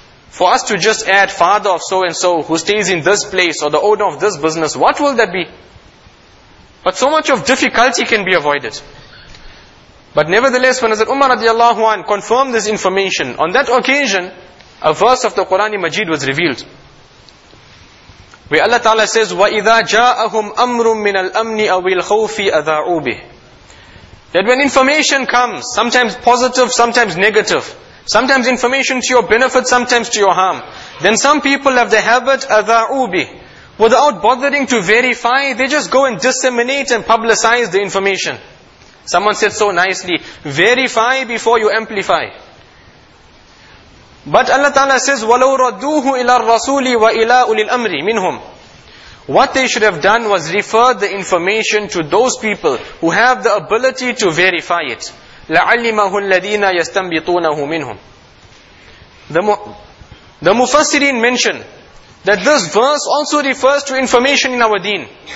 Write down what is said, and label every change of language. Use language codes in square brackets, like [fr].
[en] For us to just add father of so and so who stays in this place or the owner of this business, what will that be? But so much of difficulty can be avoided. But nevertheless, when Hazrat Umar radiallahu anhu confirmed this information, on that occasion, a verse of the Qur'an Majid was revealed. Where Allah Ta'ala says, [ar] وَإِذَا جَاءَهُمْ أَمْرٌ مِّنَ الْأَمْنِ أَوِ الْخَوْفِ أَذَاعُوا بِهِ. [en] That when information comes, sometimes positive, sometimes negative, sometimes information to your benefit, sometimes to your harm, then some people have the habit, [ar] أَذَاعُوا بِهِ. [en] Without bothering to verify, they just go and disseminate and publicize the information. Someone said so nicely, verify before you amplify. But Allah Ta'ala says, [ar] وَلَوْ رَدُّوهُ إِلَى الرَّسُولِ وَإِلَىٰ أُولِي الْأَمْرِ مِنْهُمْ. [en] What they should have done was refer the information to those people who have the ability to verify it. [ar] لَعَلِّمَهُ الَّذِينَ يَسْتَنْبِطُونَهُ مِنْهُمْ. [en] The Mufassirin mentioned that this verse also refers to information in our deen.